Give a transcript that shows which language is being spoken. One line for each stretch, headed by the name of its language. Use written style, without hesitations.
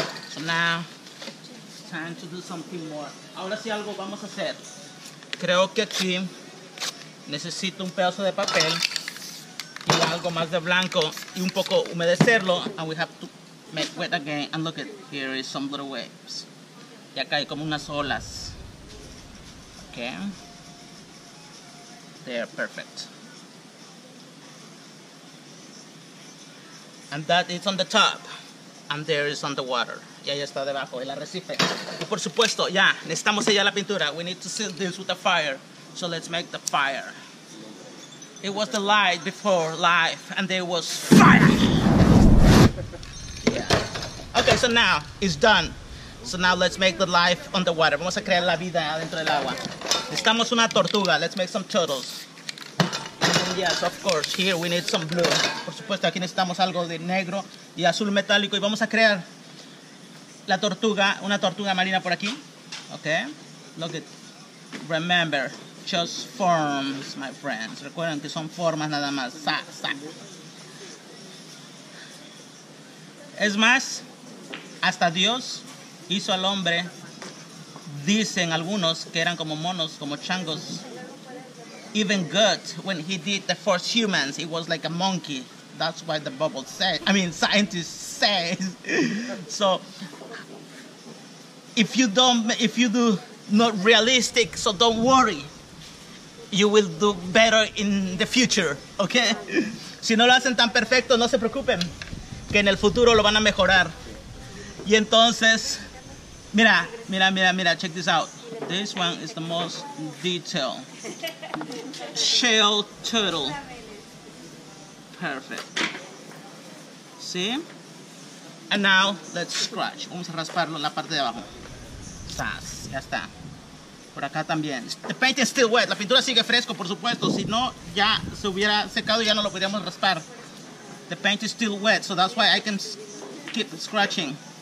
English: So now, it's time to do something more.
Spanish: Ahora sí algo vamos a hacer. Creo que aquí necesito un pedazo de papel y algo más de blanco y un poco humedecerlo.
English: And we have to make wet again. And look at here is some little waves. Y acá hay como unas olas. Okay. They are perfect. And that is on the top. And there is on the water.
Spanish: Y ahí está debajo, el arrecife. Y por supuesto, ya, necesitamos sellar la pintura.
English: We need to seal this with the fire. So let's make the fire. It was the light before life. And there was fire. Yeah. Okay, so now it's done. So now let's make the life on the water.
Spanish: Vamos a crear la vida dentro del agua. Necesitamos una tortuga.
English: Let's make some turtles. Yes, of course. Here we need some blue.
Spanish: Por supuesto, aquí necesitamos algo de negro y azul metálico. Y vamos a crear la tortuga, una tortuga marina por aquí.
English: Okay. Look at. Remember, just forms, my friends.
Spanish: Recuerden que son formas nada más. Sa, sa. Es más, hasta Dios hizo al hombre. Dicen algunos que eran como monos, como changos.
English: Even God, when he did the first humans, it was like a monkey. That's why the bubble said, scientists say. So, if you do not realistic, so don't worry. You will do better in the future, okay?
Spanish: Si no lo hacen tan perfecto, no se preocupen, que en el futuro lo van a mejorar. Y entonces, mira,
English: check this out. This one is the most detailed. Shell turtle. Perfect. See? And now let's scratch.
Spanish: Vamos a rasparlo en la parte de abajo. Sas, ya está. Por acá también.
English: The paint is still wet.
Spanish: La pintura sigue fresco, por supuesto. Si no, ya se hubiera secado y ya no lo podríamos raspar.
English: The paint is still wet, so that's why I can keep scratching.